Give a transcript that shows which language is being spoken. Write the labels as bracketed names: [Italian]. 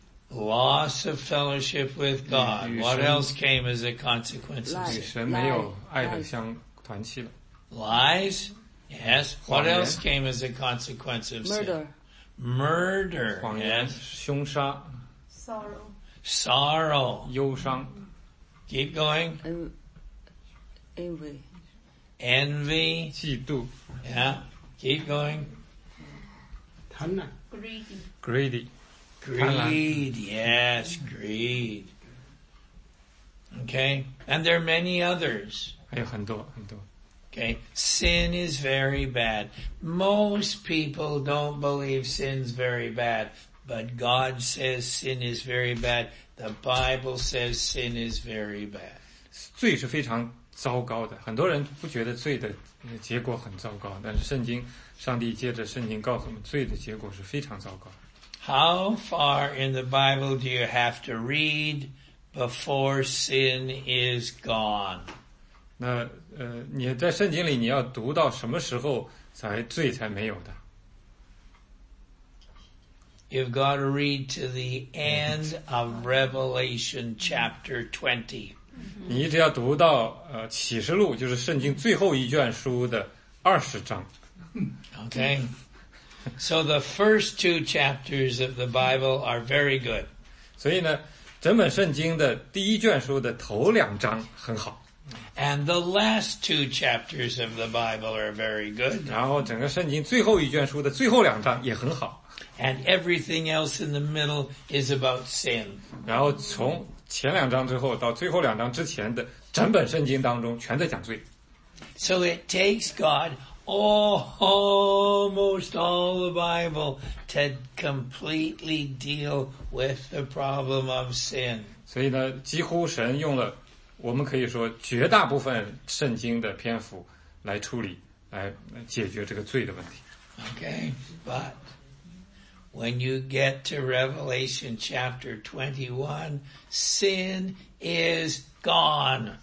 [English] Loss of fellowship with God What else came as a consequence of sin? [Chinese] 与神没有爱的相团契了 [English] Lies? Yes, what else came as a consequence of sin? Murder. Murder, yes. [Chinese] 凶杀 [English] Sorrow. [Chinese] 忧伤 [English] Keep going. Envy. [Chinese] 嫉妒 [English] Yeah, keep going. [Chinese] 贪婪 [English] Greedy. Greed, yes, greed. Okay, and there are many others. [Chinese] 还有很多很多 [English] Okay, sin is very bad. Most people don't believe sin's very bad, but God says sin is very bad. The Bible says sin is very bad. [Chinese] 罪是非常糟糕的。很多人不觉得罪的结果很糟糕，但是圣经，上帝借着圣经告诉我们，罪的结果是非常糟糕。 [English] How far in the Bible do you have to read before sin is gone? [Chinese] 那你在圣经里你要读到什么时候才罪才没有的 [English] You've got to read to the end of Revelation chapter 20 [Chinese] 你一直要读到启示录就是圣经最后一卷书的二十章 [English] Okay So the first two chapters of the Bible are very good [Chinese] 所以呢整本圣经的第一卷书的头两章很好 [English] And the last two chapters of the Bible are very good. [Chinese] 然后整个圣经最后一卷书的最后两章也很好。 [English] And everything else in the middle is about sin. [Chinese] 然后从前两章之后到最后两章之前的整本圣经当中全在讲罪。 [English] So it takes God almost all the Bible to completely deal with the problem of sin. [Chinese] 所以呢，几乎神用了我们可以说绝大部分圣经的篇幅来处理，来解决这个罪的问题。 [English] Okay, but when you get to Revelation chapter 21, sin is gone.